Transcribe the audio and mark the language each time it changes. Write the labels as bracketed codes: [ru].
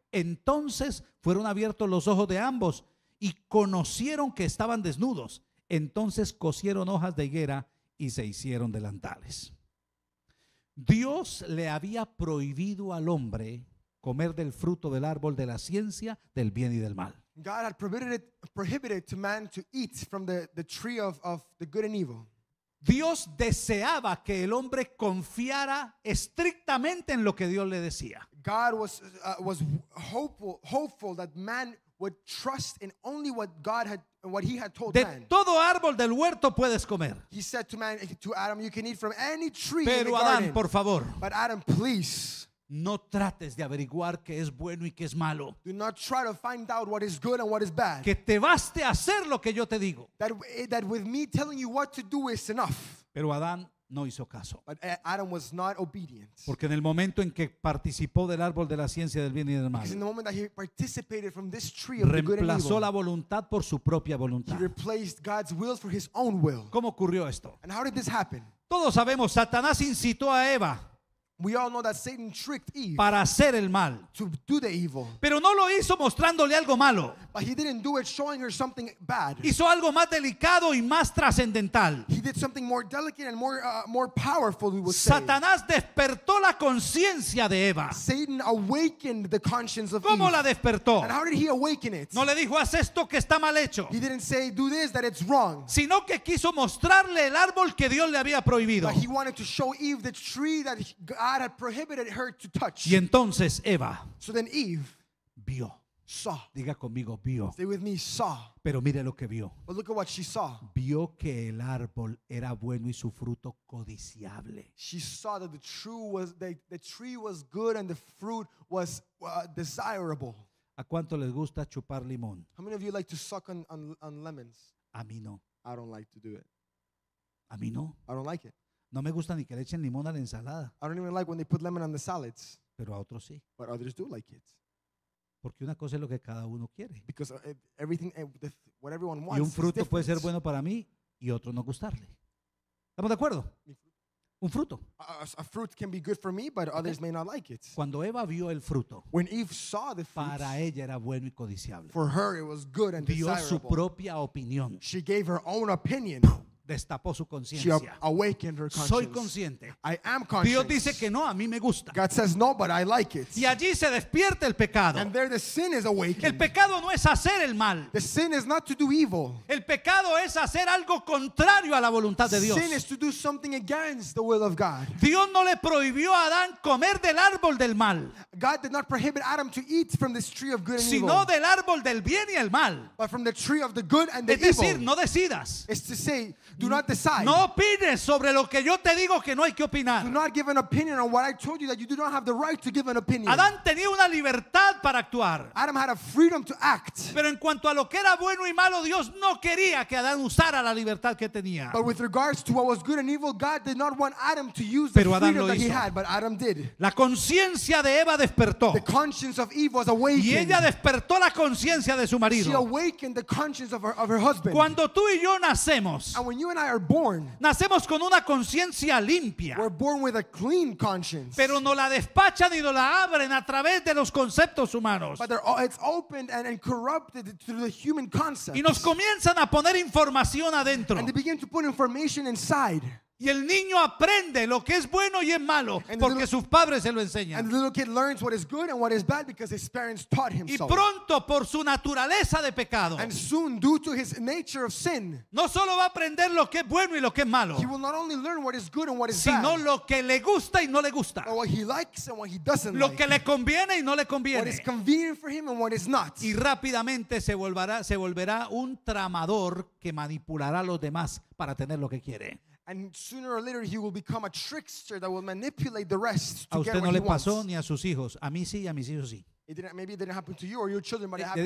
[es] Entonces fueron abiertos los ojos de ambos y conocieron que estaban desnudos. Entonces cosieron hojas de higuera y se hicieron delantales. Dios le había prohibido al hombre comer del fruto del árbol de la ciencia del bien y del mal. [en] God had prohibited to man to eat from the tree of the good and evil. [es] Dios deseaba que el hombre confiara estrictamente en lo que Dios le decía. [en] God was hopeful that man would trust in only what God had what he had told [es] de [en] man. [es] De todo árbol del huerto puedes comer. [en] He said to man, to Adam, you can eat from any tree. [es] Pero [en] in the Adam, garden. [es] Por favor. [en] But Adam, please. [es] No trates de averiguar qué es bueno y qué es malo. [en] Do not try to find out what is good and what is bad. [es] Que te baste hacer lo que yo te digo. [en] That with me telling you what to do is enough. [es] Pero Adán no hizo caso. [en] But Adam was not obedient. [es] Porque en el momento en que participó del árbol de la ciencia del bien y del mal, [en] because in the moment that he participated from this tree of the good and evil, [es] reemplazó la voluntad por su propia voluntad. [en] He replaced God's will for his own will. [es] ¿Cómo ocurrió esto? [en] And how did this happen? [es] Todos sabemos, Satanás incitó a Eva. [en] We all know that Satan tricked Eve [es] para hacer el mal. [en] To do the evil. [es] Pero no lo hizo mostrándole algo malo. [en] But he didn't do it showing her something bad. [es] Hizo algo más delicado y más trascendental. [en] He did something more delicate and more powerful, we would say. [es] Satanás despertó la conciencia de Eva. [en] Satan awakened the conscience of [es] ¿Cómo [en] Eve? [es] ¿Cómo la despertó? [en] And how did he awaken it? [es] No le dijo, haz esto que está mal hecho. [en] He didn't say, do this, that it's wrong. [es] Sino que quiso mostrarle el árbol que Dios le había prohibido. [en] But he wanted to show Eve the tree that God had prohibited her to touch. [es] Y entonces Eva, [en] so then Eve [es] vio. [en] Saw. [es] Diga conmigo, vio. [en] Stay with me, saw. [es] Pero mire lo que vio. [en] But look at what she saw. [es] Vio que el árbol era bueno y su fruto codiciable. [en] She saw that the tree was good and the fruit was desirable. [es] ¿A cuánto les gusta chupar limón? [en] How many of you like to suck on lemons? [es] A mí no. [en] I don't like to do it. [es] A mí no. [en] I don't like it. [es] No me gusta ni que le echen limón a la ensalada. [en] I don't even like when they put lemon on the salads. [es] Pero a otros sí. [en] But others do like it. [es] Porque una cosa es lo que cada uno quiere. [en] Because everything, what everyone wants. [es] Y un fruto puede ser bueno para mí y otro no gustarle. ¿Estamos de acuerdo? Un fruto. [en] A fruit can be good for me, but others may not like it. [es] Cuando Eva vio el fruto, [en] when Eve saw the fruit, [es] para ella era bueno y codiciable. [en] For her it was good and desirable. [es] Dio su propia opinión. [en] She gave her own opinion. [es] Destapó su conciencia. [en] Awakened her conscience. [es] Soy consciente. [en] I am conscious. [es] Dios dice que no, a mí me gusta. [en] God says no, but I like it. [es] Y allí se despierta el pecado. [en] And there the sin is awakened. [es] El pecado no es hacer el mal. [en] The sin is not to do evil. [es] El pecado es hacer algo contrario a la voluntad de Dios. [en] Sin is to do something against the will of God. [es] Dios no le prohibió a Adán comer del árbol del mal. [en] God did not prohibit Adam to eat from this tree of good and [es] sino [en] evil. [es] Sino del árbol del bien y el mal. [en] But from the tree of the good and the evil. [es] Es decir, [en] evil. [es] No decidas. [en] It's to say, do not decide. [es] No opines sobre lo que yo te digo que no hay que opinar. [en] Do not give an opinion on what I told you that you do not have the right to give an opinion. [es] Adán tenía una libertad para actuar. [en] Adam had a freedom to act. [es] Pero en cuanto a lo que era bueno y malo, Dios no quería que Adán usara la libertad que tenía. [en] But with regards to what was good and evil, God did not want Adam to use the freedom that he had, but Adam did. [es] La conciencia de Eva despertó. [en] The conscience of Eve was awakened. [es] Y ella despertó la conciencia de su marido. [en] She awakened the conscience of her husband. [es] Cuando tú y yo nacemos, [en] and when you and I are born, [es] nacemos con una conciencia limpia. [en] We're born with a clean conscience. [es] Pero no la despachan y no la abren a través de los conceptos humanos. [en] But it's opened and corrupted through the human concepts. [es] Y nos comienzan a poner información adentro. [en] And they begin to put information inside. [es] Y el niño aprende lo que es bueno y es malo porque sus padres se lo enseñan. [en] And the little kid learns what is good and what is bad because his parents taught him so. [es] Y pronto por su naturaleza de pecado. [en] And soon due to his nature of sin. [es] No solo va a aprender lo que es bueno y lo que es malo. [en] He will not only learn what is good and what is bad. [es] Sino lo que le gusta y no le gusta. [en] What he likes and what he doesn't like. [es] Lo que le conviene y no le conviene. [en] What is convenient for him and what is not. [es] Y rápidamente se volverá un tramador que manipulará a los demás para tener lo que quiere. [en] And sooner or later, he will become a trickster that will manipulate the rest to [es] a usted [en] get what [es] no [en] he [es] le [en] wants. [es] Pasó, ni a sus hijos. A mí sí, a mis hijos sí. [en] Maybe it didn't happen to you or your children, but it happened